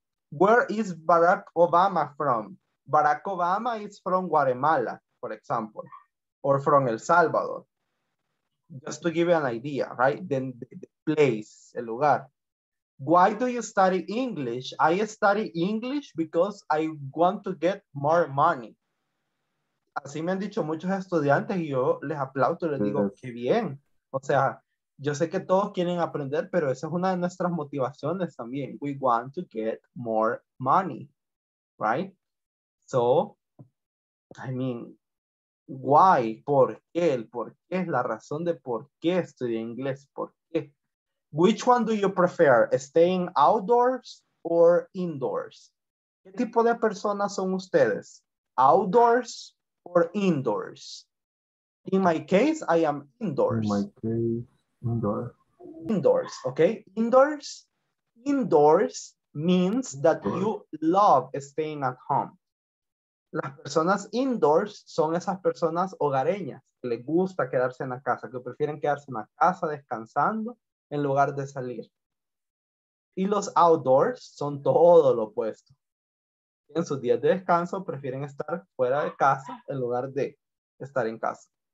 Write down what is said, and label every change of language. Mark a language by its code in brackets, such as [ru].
[en] Where is Barack Obama from? Barack Obama is from Guatemala, for example, or from El Salvador. Just to give you an idea, right? Then the place, [es] el lugar. [en] Why do you study English? I study English because I want to get more money. [es] Así me han dicho muchos estudiantes y yo les aplaudo, les digo, qué bien. O sea, yo sé que todos quieren aprender, pero esa es una de nuestras motivaciones también. [en] We want to get more money, right? So, I mean, why? [es] ¿Por qué? ¿El por qué? La razón de por qué estudié inglés. ¿Por qué? [en] Which one do you prefer, staying outdoors or indoors? [es] ¿Qué tipo de personas son ustedes? [en] ¿Outdoors or indoors? In my case, I am indoors. In my case, indoor. Indoors, okay? Indoors, indoors means that you love staying at home. [es] Las personas indoors son esas personas hogareñas que les gusta quedarse en la casa, que prefieren quedarse en la casa descansando en lugar de salir. Y los outdoors son todo lo opuesto. En sus días de descanso prefieren estar fuera de casa en lugar de estar en casa.